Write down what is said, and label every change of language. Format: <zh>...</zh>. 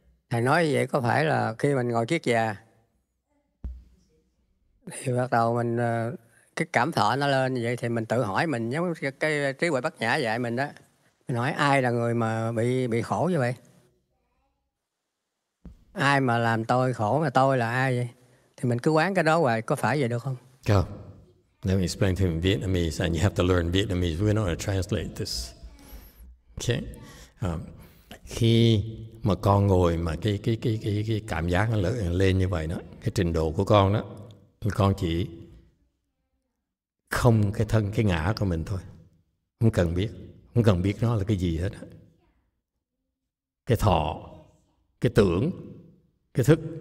<vi>Thầy nói vậy có phải là khi mình ngồi kiết già thì bắt đầu mình cái cảm thọ nó lên vậy thì mình tự hỏi mình giống cái trí huệ bát nhã dạy mình đó. Mình hỏi ai là người mà bị khổ như vậy? Ai mà làm tôi khổ mà tôi là ai vậy? Thì mình cứ quán cái đó hoài, có phải vậy được không?</vi> <en>Go. Let me explain to him in Vietnamese, and you have to learn Vietnamese. We're not going to translate this. Okay.</en> <vi>Khi mà con ngồi mà cái cảm giác nó lên như vậy đó, cái trình độ của con đó, con chỉ không cái thân, cái ngã của mình thôi. Không cần biết. Không cần biết nó là cái gì hết. Cái thọ, cái tưởng, cái thức.</vi>